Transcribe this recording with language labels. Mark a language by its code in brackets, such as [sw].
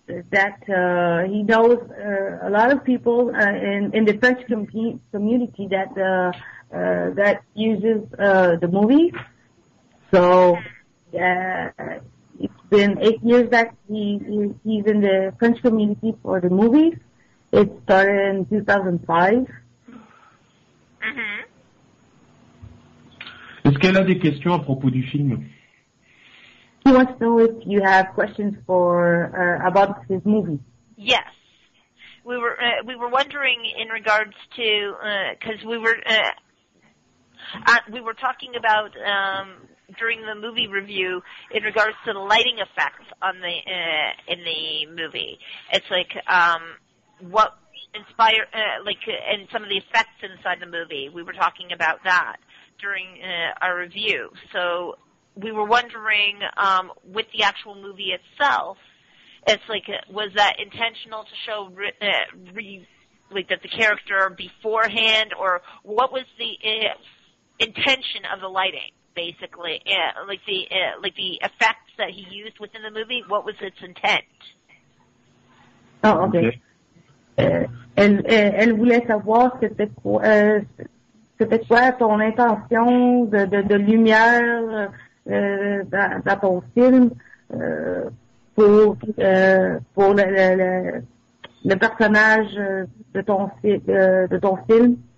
[en] That he knows a lot of people in the French community that uses the movies. So it's been 8 years that he's in the French community for the movies. It started in 2005. [fr] Mm-hmm. Est-ce qu'elle a des questions à propos du film? [en] He wants to know if you have questions for about his movie. Yes, we were wondering in regards to because we were talking about during the movie review in regards to the lighting effects on the in the movie. It's like what inspired and some of the effects inside the movie. We were talking about that during our review. So. We were wondering, with the actual movie itself, it's like, was that intentional to show that the character beforehand, or what was the intention of the lighting, basically? Like the effects that he used within the movie, what was its intent? [fr] Elle voulait savoir c'était quoi ton intention de lumière dans ton film pour le personnage de ton film.